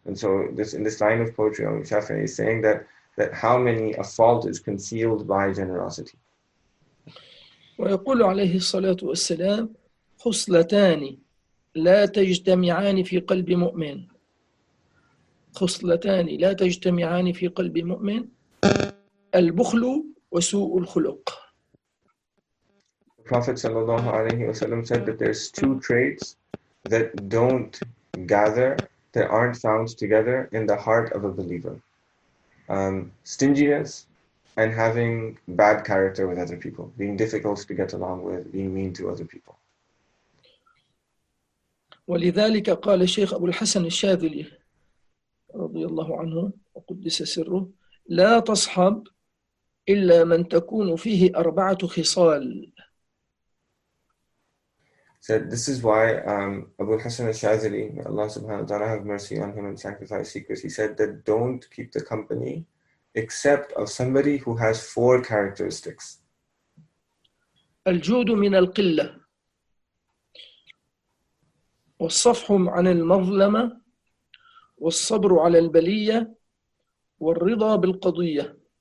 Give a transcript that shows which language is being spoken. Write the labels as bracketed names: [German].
[English] And so in this line of poetry, Imam Shafi'i is saying that how many a fault is concealed by generosity. [Arabic] ويقول عليه الصلاة والسلام خصلتان لا تجتمعان في قلب مؤمن خصلتان لا تجتمعان في قلب مؤمن البخل وسوء الخلق. [English] The Prophet [Arabic] صلى الله عليه وسلم [English] said that there's two traits that don't gather, that aren't found together in the heart of a believer. Stinginess and having bad character with other people, being difficult to get along with, being mean to other people. [Arabic] ولذلك قال الشيخ أبو الحسن الشاذلي رضي الله عنه وقدس سره لا تصحب إلا من تكون فيه أربعة خصال. [English] Said this is why Abu al-Hasan al-Shazili, may Allah subhanahu wa ta'ala have mercy on him and sanctify seekers, he said that don't keep the company except of somebody who has four characteristics. [Arabic] الجود من القلة والصفح عن المظلمة والصبر على البلية والرضا بالقضية.